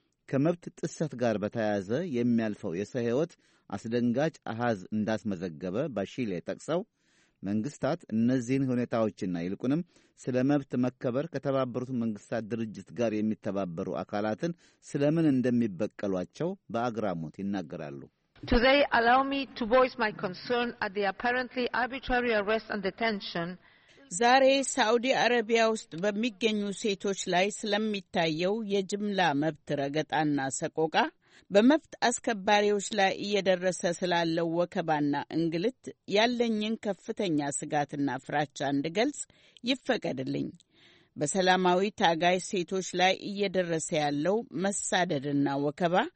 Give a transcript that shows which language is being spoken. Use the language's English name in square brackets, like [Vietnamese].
[Amharic] ከመብት ጥሰት ጋር በተያያዘ የሚያልፈው የሰው ሕይወት አስደንጋጭ አሃዝ እንዳስመዘገበ ባሺሌ ጠቅሰው፣ መንግስታት እነዚህን ሁኔታዎችና ይልቁንም ስለ መብት መከበር ከተባበሩት መንግስታት ድርጅት ጋር የሚተባበሩ አካላትን ስለምን እንደሚበቀሏቸው በአግራሞት ይናገራሉ። [English] Today allow me to voice my concern at the apparently arbitrary arrest and detention. [Amharic] ዛሬ ሳውዲ አረቢያ ውስጥ በሚገኙ ሴቶች ላይ ስለሚታየው የጅምላ መብት ረገጣና ሰቆቃ፣ በመፍት አስከባሪዎች ላይ እየደረሰ ስላለው ወከባና እንግልት ያለኝን ከፍተኛ ስጋትና ፍራቻ እንድገልጽ ይፈቀድልኝ። በሰላማዊ ታጋይ ሴቶች ላይ እየደረሰ ያለው መሳደድና ወከባ